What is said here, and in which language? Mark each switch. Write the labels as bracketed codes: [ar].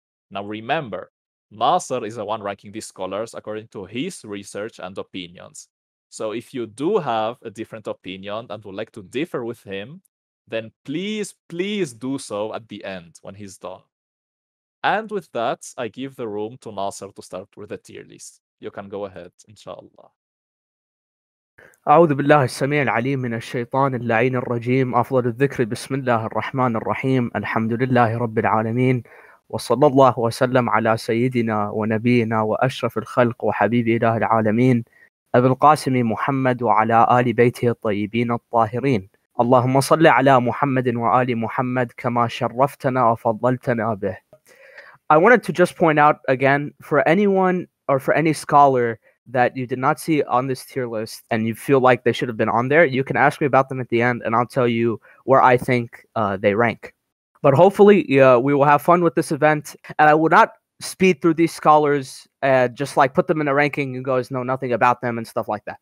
[en] Now remember, Nasser is the one ranking these scholars according to his research and opinions. So if you do have a different opinion and would like to differ with him, then please, please do so at the end when he's done. And with that, I give the room to Nasser to start with the tier list. You can go ahead, inshallah. [ar] أعوذ بالله السميع العليم من الشيطان اللعين الرجيم أفضل الذكر بسم الله الرحمن الرحيم الحمد لله رب العالمين وصلى الله وسلم على سيدنا ونبينا وأشرف الخلق وحبيب إله العالمين أبي القاسم محمد وعلى آل بيته الطيبين الطاهرين اللهم صل على محمد وآل محمد كما شرفتنا وفضلتنا به. [en] I wanted to just point out again for anyone or for any scholar that you did not see on this tier list and you feel like they should have been on there, you can ask me about them at the end and I'll tell you where I think they rank. But hopefully we will have fun with this event and I will not speed through these scholars and just like put them in a ranking and you guys know nothing about them and stuff like that.